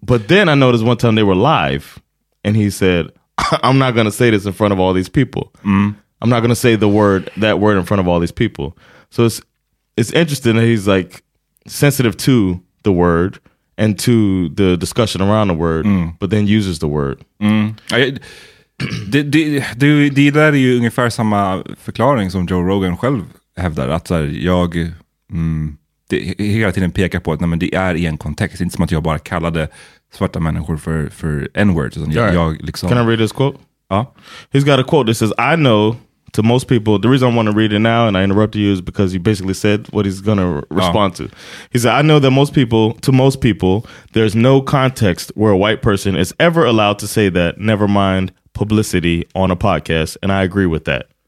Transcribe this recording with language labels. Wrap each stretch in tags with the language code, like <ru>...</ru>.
<en>But then I noticed one time they were live, and he said, I'm not going to say this in front of all these people. Mm. I'm not going to say that word in front of all these people. So it's interesting that he's, like, sensitive to the word and to the discussion around the word, but then uses the word. Mm.</en> <sv>Det där är ju ungefär samma förklaring som Joe Rogan själv hävdar, att så här, jag hela tiden pekar på att, nej, men det är i en kontext. Det är inte som att jag bara kallade svarta människor för N-word. Jag liksom,</sv> <en>can I read this quote?</en> <sv>Ja.</sv> <en>He's got a quote that says, I know to most people, the reason I want to read it now and I interrupted you is because you basically said what he's going to respond to. He said, I know that to most people, there's no context where a white person is ever allowed to say that, never mind publicity on a podcast, and I agree with that.</en>